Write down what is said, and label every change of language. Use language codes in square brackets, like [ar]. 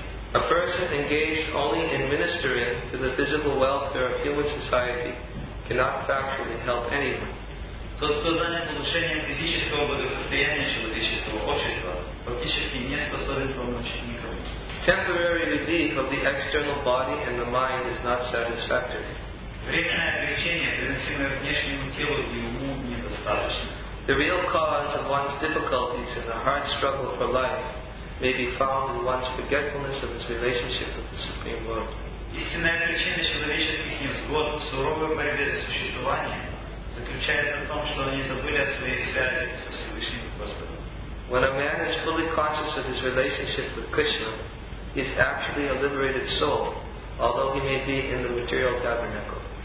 [en] A person engaged only in ministering to the physical welfare of human society cannot factually help anyone. [ru] Тот, кто занят улучшением физического благосостояния человеческого общества, фактически не способен помочь никому. [en] Temporary relief of the external body and the mind is not satisfactory. [ru] Временное облегчение, приносимое внешнему телу и уму, недостаточно. [en] The real cause of one's difficulties and the hard struggle for life may be found in one's forgetfulness of his relationship with the Supreme Lord. [ru] Истинная причина человеческих невзгод, суровой борьбы за существование, заключается в том, что они забыли о своей связи со Всевышним Господом. [en] When a man is fully conscious of his relationship with Krishna, he is actually a liberated soul, although he may be in the material tabernacle.